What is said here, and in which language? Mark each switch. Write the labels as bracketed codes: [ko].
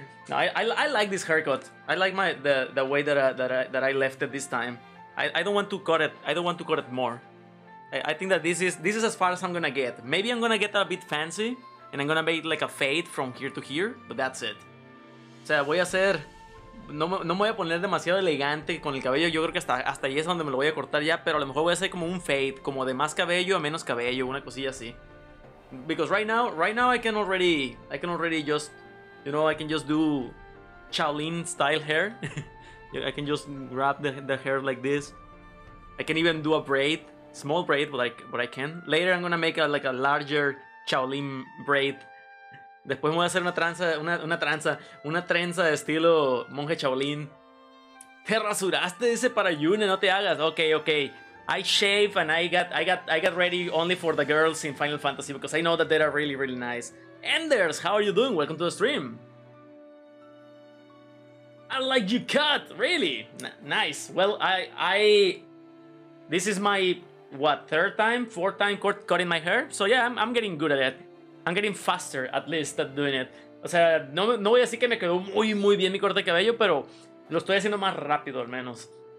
[en] No, I like this haircut. I like the way that I left it this time. I don't want to cut it. I don't want to cut it more. I think that this is as far as I'm gonna get. Maybe I'm gonna get a bit fancy and I'm gonna make like a fade from here to here, but that's it. [es] O sea, voy a hacer. No me voy a poner demasiado elegante con el cabello. Yo creo que hasta ahí es donde me lo voy a cortar ya, pero a lo mejor voy a hacer como un fade, como de más cabello a menos cabello, una cosilla así. [en] Because right now I can already just, you know, I can just do Shaolin style hair. I can just grab the hair like this. I can even do a braid, small braid, but I can. Later I'm gonna make a larger Shaolin braid. [es] Después me voy a hacer una trenza de estilo monje Shaolin. Te rasuraste ese para Yune, no te hagas. [en] Okay. I shave and I got ready only for the girls in Final Fantasy because I know that they are really, really nice. Enders, how are you doing? Welcome to the stream. I like you cut, really? Nice. Well, I this is my, what, third time, fourth time cutting my hair? So yeah, I'm getting good at it. I'm getting faster, at least, at doing it. [es] O sea, no voy a decir que me quedó muy, muy bien mi corte de cabello, pero lo estoy haciendo más rápido, al menos.